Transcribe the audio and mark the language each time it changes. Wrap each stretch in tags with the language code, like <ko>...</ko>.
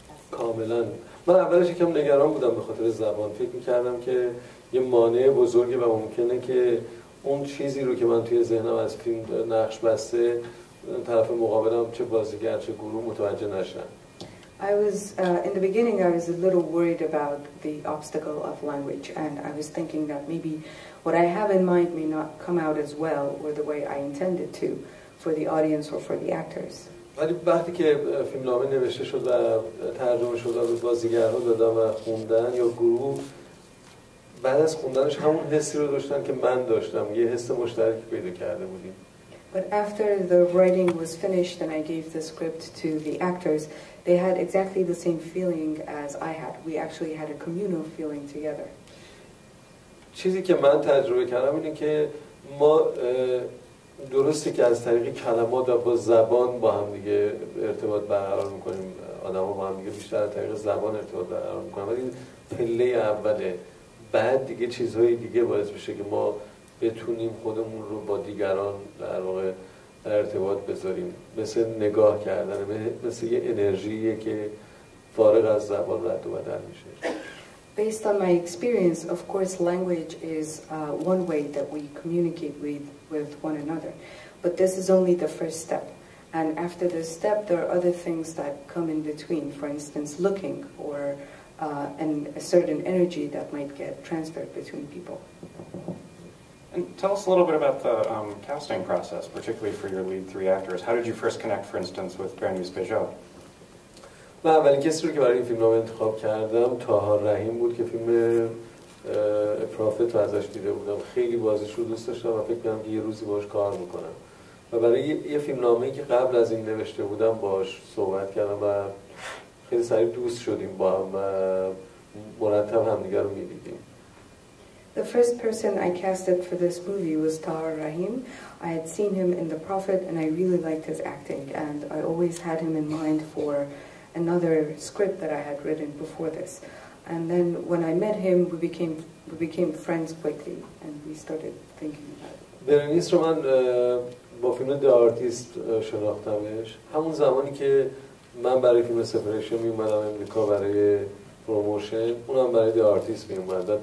<fa>کاملا من اولش یکم نگران بودم به خاطر زبان فکر می‌کردم که یه مانع بزرگه و ممکنه که اون چیزی رو که من توی ذهنم از فیلم نقش بسته طرف مقابلم چه بازیگر چه گروه متوجه نشن.</fa> <en>I was in the beginning. I was a little worried about the obstacle of language, and I was thinking that maybe what I have in mind may not come out as well or the way I intended to. for the audience or for the actors.</en> <fa>ولی وقتی که فیلم نامه نوشته شد و ترجمه شد و بازیگرها دادن و خوندن یا گروه بعد از خوندنش همون حسی رو داشتن که من داشتم یه حس مشترک پیدا کرده بودیم.</fa> <en>But after the writing was finished and I gave the script to the actors, they had exactly the same feeling as I had. We actually had a communal feeling together.</en> <fa>چیزی که من تجربه کردم اینه که ما درسته که از طریق کلمات و با زبان با هم دیگه ارتباط برقرار میکنیم آدم ها با هم دیگه بیشتر از طریق زبان ارتباط برقرار میکنیم ولی پله اوله بعد دیگه چیزهای دیگه باعث میشه که ما بتونیم خودمون رو با دیگران در واقع در ارتباط بذاریم مثل نگاه کردن مثل یه انرژیه که فارغ از زبان رد و بدل میشه.</fa> <en>Based on my experience, of course, language is one way that we communicate with one another. But this is only the first step. And after this step, there are other things that come in between. For instance, looking or and a certain energy that might get transferred between people. And tell us a little bit about the casting process, particularly for your lead three actors. How did you first connect, for instance, with Bernice Peugeot?</en> <fa>من اولین کسی رو که برای این فیلم نام انتخاب کردم طاها رحیم بود که فیلم پروفیت رو ازش دیده بودم. خیلی بازیش رو دوست داشتم و فکر کنم که یه روزی باش کار میکنم. و برای یه فیلم نامه که قبل از این نوشته بودم باش صحبت کردم و خیلی سریع دوست شدیم با هم و مرتب همدیگر رو میدیدیم.</fa> <en>The first person I casted for this movie was Taha Rahim. I had seen him in The Prophet and I really liked his acting and I always had him in mind for another script that I had written before this. And then when I met him, we became friends quickly and we started thinking about it.</en> <fa>Bernice رو من با فیلم The Artist شناختمش. همون زمانی که من برای فیلم Separation می اومدم امریکا برای پروموشن، اونم برای The Artist می اومد.</fa>